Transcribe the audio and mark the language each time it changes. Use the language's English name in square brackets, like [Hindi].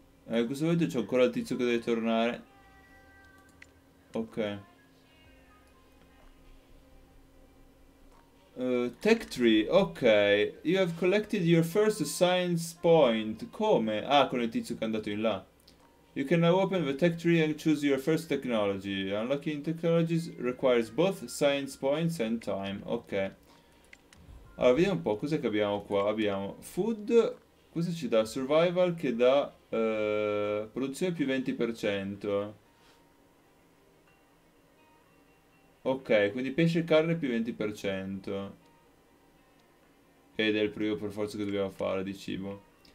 [Italian] In questo momento c'è ancora il tizio che deve tornare. Ok. [English] Tech tree, ok. You have collected your first science point. [Italian] Come? Ah, con il tizio che è andato in là. [English] You can now open the tech tree and choose your first technology. Unlocking technologies requires both science points and time. [Italian] Ok. Allora, vediamo un po'. Cos'è che abbiamo qua? Abbiamo food. Questo ci dà survival che dà produzione più 20%. Ok, quindi pesce e carne più 20%. Ed è il primo per forza che dobbiamo fare di cibo.